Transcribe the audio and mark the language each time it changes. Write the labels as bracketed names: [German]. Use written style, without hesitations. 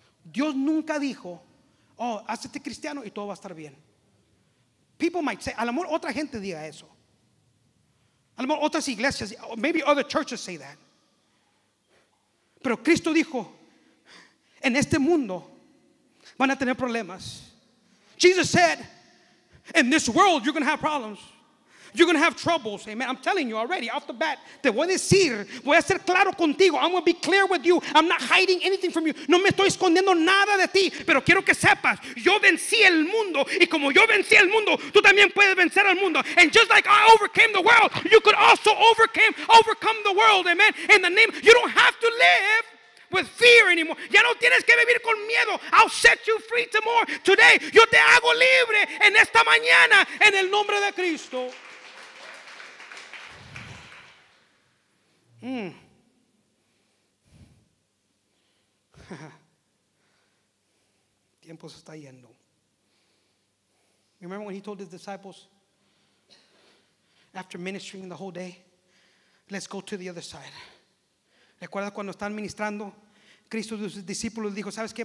[Spanish] Dios nunca dijo, oh, hazte cristiano y todo va a estar bien. [English] People might say, [Spanish] a lo mejor otra gente diga eso. A lo mejor otras iglesias, [English] maybe other churches say that. [Spanish] Pero Cristo dijo, en este mundo van a tener problemas. [English] Jesus said, in this world you're going to have problems. You're going to have troubles. Amen. I'm telling you already, off the bat. [Spanish] Te voy a decir, voy a ser claro contigo. [English] I'm going to be clear with you. I'm not hiding anything from you. [Spanish] No me estoy escondiendo nada de ti. Pero quiero que sepas, yo vencí el mundo. Y como yo vencí el mundo, tú también puedes vencer al mundo. [English] And just like I overcame the world, you could also overcome the world. Amen. In the name, you don't have to live with fear anymore. [Spanish] Ya no tienes que vivir con miedo. [English] I'll set you free tomorrow. [Spanish] Today, yo te hago libre en esta mañana en el nombre de Cristo. Tiempo se está yendo. [English] Remember when he told his disciples, after ministering the whole day, let's go to the other side. [Spanish] Recuerda cuando están ministrando, Cristo de sus discípulos dijo, ¿sabes qué?